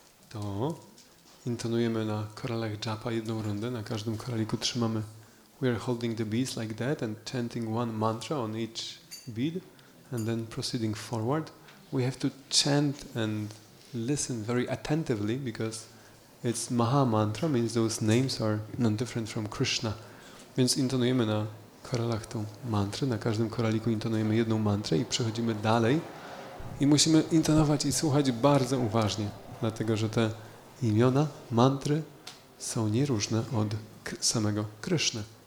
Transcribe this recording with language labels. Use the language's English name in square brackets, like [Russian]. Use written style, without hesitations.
[Polish] To intonujemy na koralach japa jedną rundę. Na każdym koraliku trzymamy. [English] We are holding the beads like that and chanting one mantra on each bead and then proceeding forward. we have to chant and listen very attentively because it's Maha Mantra, means those names are none different from Krishna. [Polish] Więc intonujemy na koralach tą mantrę, na każdym koraliku intonujemy jedną mantrę i przechodzimy dalej. I musimy intonować i słuchać bardzo uważnie, dlatego że te imiona, mantry są nieróżne od samego Kryszny.